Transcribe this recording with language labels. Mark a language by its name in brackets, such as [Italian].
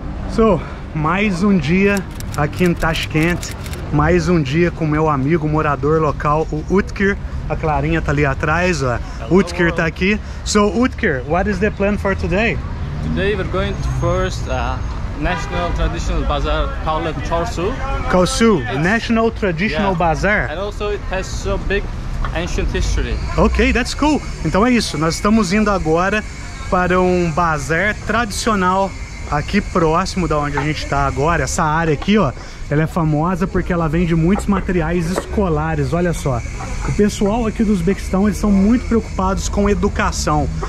[Portuguese] So, mais um dia aqui em Tashkent, mais um dia com meu amigo morador local, o Utkir. A Clarinha tá ali atrás, ó. [English] Hello. [Portuguese] Utkir tá aqui. [English] So, Utkir, what is the plan for today? Today we're going to first National Traditional Bazaar called Chorsu. Chorsu, National Traditional Bazaar. And also it has so big ancient history. Ok, that's cool. [Portuguese] Então é isso, nós estamos indo agora para um bazar tradicional aqui próximo da onde a gente está agora. Essa área aqui, ó, ela é famosa porque ela vende muitos materiais escolares. Olha só, o pessoal aqui do Uzbequistão, eles são muito preocupados com educação.